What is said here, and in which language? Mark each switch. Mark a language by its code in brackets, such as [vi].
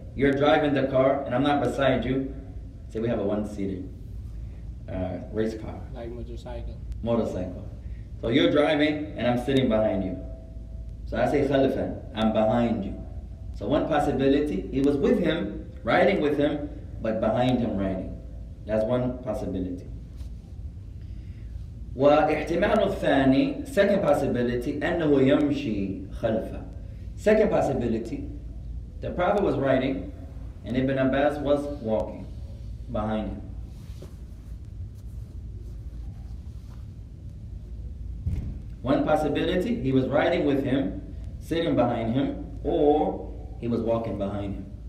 [en] You're driving the car and I'm not beside you. Say we have a one-seater race car. Like motorcycle. Motorcycle. So you're driving and I'm sitting behind you. So I say خلفا, I'm behind you. So one possibility, he was with him, riding with him, but behind him riding. That's one possibility. [ar] واحتمال الثاني, [en] second possibility, [ar] أنه يمشي خلفه. [en] Second possibility, the Prophet was riding, and Ibn Abbas was walking behind him. One possibility, he was riding with him, sitting behind him, or he was walking behind him.